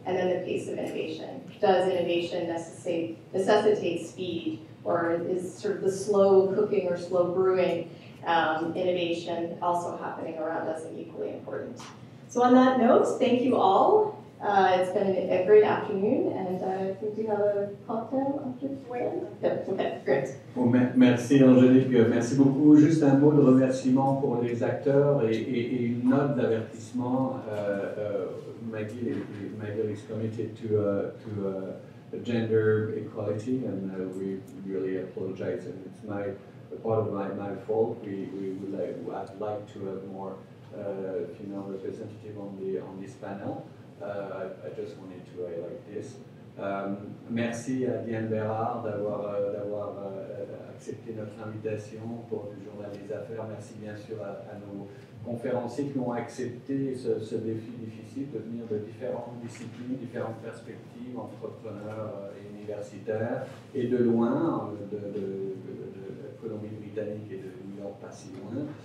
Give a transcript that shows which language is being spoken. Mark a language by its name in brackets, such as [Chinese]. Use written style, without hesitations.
[English] And then the pace of innovation. Does innovation necessitate speed, or is sort of the slow cooking or slow brewing innovation also happening around us and equally important? So on that note, thank you all. It's been a great afternoon, and we do have a cocktail after the weekend. Yep. Okay, great. [French] Bon, merci Angélique, merci beaucoup. Juste un mot de remerciement pour les acteurs et une note d'avertissement. [English] Maggie is committed to gender equality, and we really apologize, and it's my part of my fault. I'd like to have more female representative on this panel. I just wanted to highlight this. [French] Merci à Diane Bérard d'avoir accepté notre invitation pour le Journal des Affaires. Merci bien sûr à nos conférenciers qui ont accepté ce défi difficile de venir de différentes disciplines, différentes perspectives, entrepreneurs et universitaires, et de loin, de Colombie-Britannique et de New York, pas si loin.